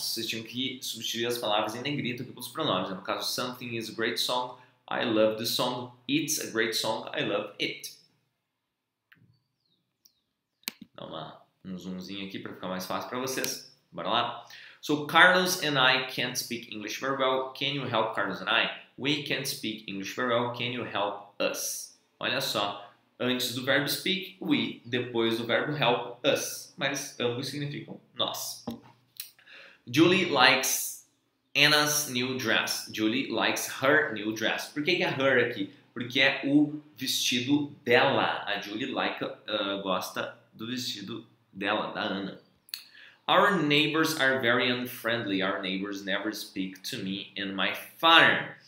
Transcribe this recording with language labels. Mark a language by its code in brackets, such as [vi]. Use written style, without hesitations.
[pt] Vocês tinham que substituir as palavras em negrito pelos pronomes. No caso, [en] something is a great song. I love the song. It's a great song. I love it. [pt] Dá um zoomzinho aqui para ficar mais fácil para vocês. Bora lá. [en] So, Carlos and I can't speak English very well. Can you help Carlos and I? We can't speak English very well. Can you help us? [pt] Olha só. Antes do verbo speak, we. Depois do verbo help, us. Mas ambos significam nós. [en] Julie likes Anna's new dress. Julie likes her new dress. [pt] Por que que é her aqui? Porque é o vestido dela. A Julie gosta do vestido dela, da Ana. [en] Our neighbors are very unfriendly. Our neighbors never speak to me and my farm.